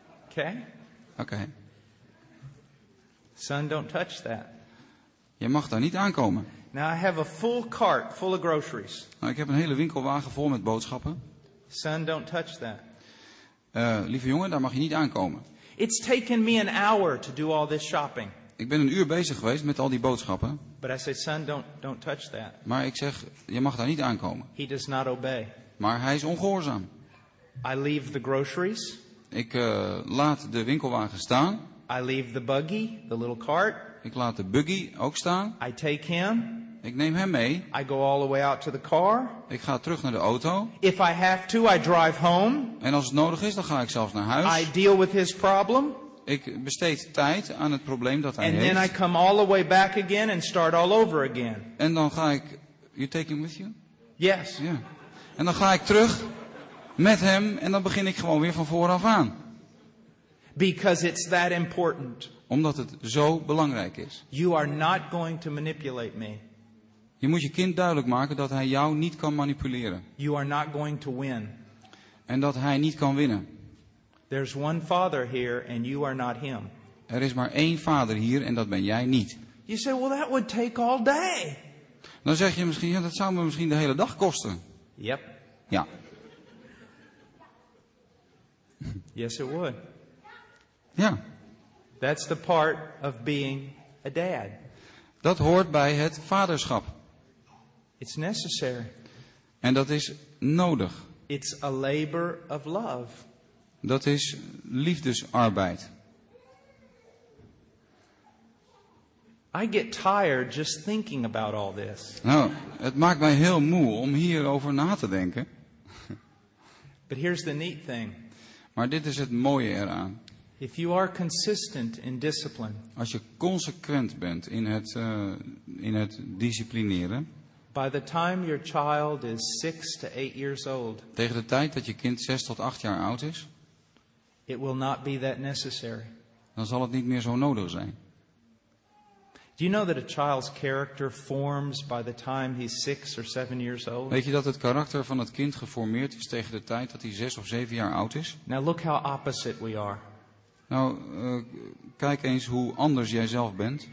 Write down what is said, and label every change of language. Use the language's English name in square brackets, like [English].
[English] Okay. Okay. Son, don't touch that. [Dutch] Je mag daar niet aankomen. [English] Now I have a full cart full of groceries. [Dutch] Nou, ik heb een hele winkelwagen vol met boodschappen. [English] Son, don't touch that. [Dutch] Lieve jongen, daar mag je niet aankomen. [English] It's taken me an hour to do all this shopping. [Dutch] Ik ben een uur bezig geweest met al die boodschappen. [English] But I say, son, don't touch that. [Dutch] Maar ik zeg, je mag daar niet aankomen. [English] He does not obey. [Dutch] Maar hij is ongehoorzaam. [English] I leave the groceries. [Dutch] Ik laat de winkelwagen staan. [English] I leave the buggy, the little cart. [Dutch] Ik laat de buggy ook staan. [English] I take him. [Dutch] Ik neem hem mee. [English] I go all the way out to the car. [Dutch] Ik ga terug naar de auto. [English] If I have to, I drive home. [Dutch] En als het nodig is, dan ga ik zelfs naar huis. [English] I deal with his problem. [Dutch] Ik besteed tijd aan het probleem dat hij [English] and [Dutch] heeft. [English] And then I come all the way back again and start all over again. [Dutch] En dan ga ik. [English] You take him with you? Yes. [Dutch] Ja. Yeah. En dan ga ik terug met hem en dan begin ik gewoon weer van vooraf aan. [English] Because it's that important. [Dutch] Omdat het zo belangrijk is. [English] You are not going to manipulate me. [Dutch] Je moet je kind duidelijk maken dat hij jou niet kan manipuleren. [English] You are not going to win. [Dutch] En dat hij niet kan winnen. [English] There's one father here and you are not him. [Dutch] Er is maar één vader hier en dat ben jij niet. [English] You say, well, that would take all day. [Dutch] Dan zeg je misschien, ja, dat zou me misschien de hele dag kosten. [English] Yep. [Dutch] Ja. [English] Yes, it would. [Dutch] Ja. [English] That's the part of being a dad. [Dutch] Dat hoort bij het vaderschap. [English] It's necessary. [Dutch] En dat is nodig. [English] It's a labor of love. [Dutch] Dat is liefdesarbeid. [English] I get tired just thinking about all this. [Dutch] Nou, het maakt mij heel moe om hierover na te denken. [English] But here's the neat thing. [Dutch] Maar dit is het mooie eraan. [English] If you are consistent in discipline. [Dutch] Als je consequent bent in het disciplineren. [English] By the time your child is 6 to 8 years old. [Dutch] Tegen de tijd dat je kind 6 tot 8 jaar oud is. [English] It will not be that necessary. [Dutch] Dan zal het niet meer zo nodig zijn. [English] Do you know that a child's character forms by the time he's 6 or 7 years old? [Dutch] Weet je dat het karakter van het kind geformeerd is tegen de tijd dat hij 6 of 7 jaar oud is? [English] Now look how opposite we are. [Dutch] Nou, kijk eens hoe anders jij zelf bent.